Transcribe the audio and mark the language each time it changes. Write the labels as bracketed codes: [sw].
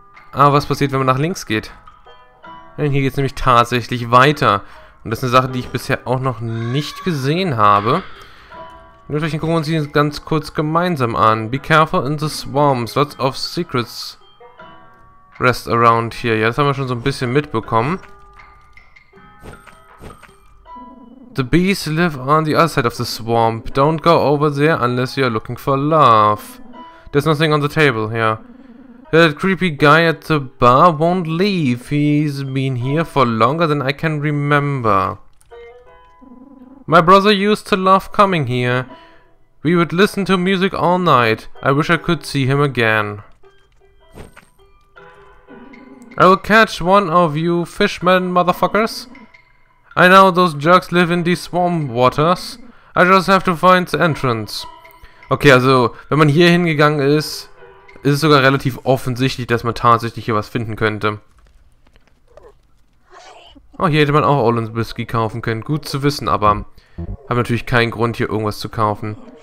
[de] Aber was passiert, wenn man nach links geht? Denn hier geht es nämlich tatsächlich weiter. Und das ist eine Sache, die ich bisher auch noch nicht gesehen habe. Dementsprechend gucken wir uns die ganz kurz gemeinsam an. [en] Be careful in the swamps. Lots of secrets rest around here. [de] Ja, das haben wir schon so ein bisschen mitbekommen. [en] The bees live on the other side of the swamp. Don't go over there unless you're looking for love. There's nothing on the table here. That creepy guy at the bar won't leave. He's been here for longer than I can remember. My brother used to love coming here. We would listen to music all night. I wish I could see him again. I will catch one of you fishmen motherfuckers. I know those jerks live in these swamp waters. I just have to find the entrance. [de] Okay, also, wenn man hier hingegangen ist, ist es sogar relativ offensichtlich, dass man tatsächlich hier was finden könnte. Oh, hier hätte man auch Orleans Whisky kaufen können. Gut zu wissen, aber habe natürlich keinen Grund, hier irgendwas zu kaufen.